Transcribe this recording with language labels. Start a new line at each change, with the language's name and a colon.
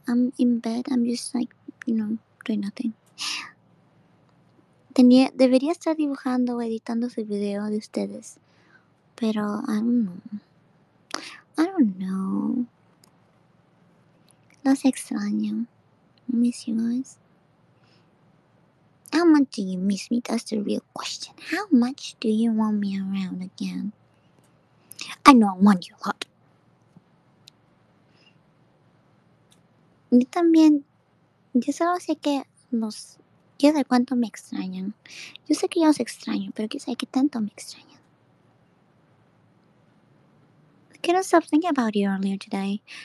English: I'm in bed, I'm just like, you know, doing nothing.
Spanish: Debería estar dibujando o editando su video de ustedes. Pero,
English: I don't know.
Spanish: Los extraño.
English: Miss you guys. How much do you miss me? That's the real question. How much do you want me around again? I know I want you a lot.
Spanish: Yo también... Yo solo sé que los... Yo sé cuánto me extrañan. Yo sé que yo os extraño, pero yo sé que tanto me extrañan.
English: I couldn't stop thinking about you earlier today.